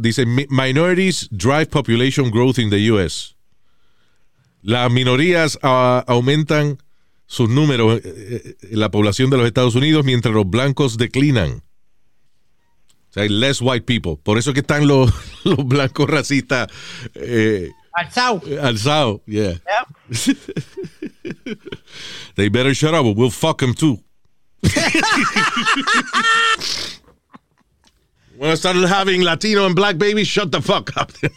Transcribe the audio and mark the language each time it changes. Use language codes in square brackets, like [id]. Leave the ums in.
[en] Dice: Minorities drive population growth in the U.S. [es] Las minorías uh, aumentan sus números en la población de los Estados Unidos mientras los blancos declinan. O sea, hay [en] less white people. [es] Por eso es que están los, los blancos racistas. Eh, alzado [en] yeah. Yep. they better shut up or we'll fuck them too. when I started having Latino and black babies, shut the fuck up.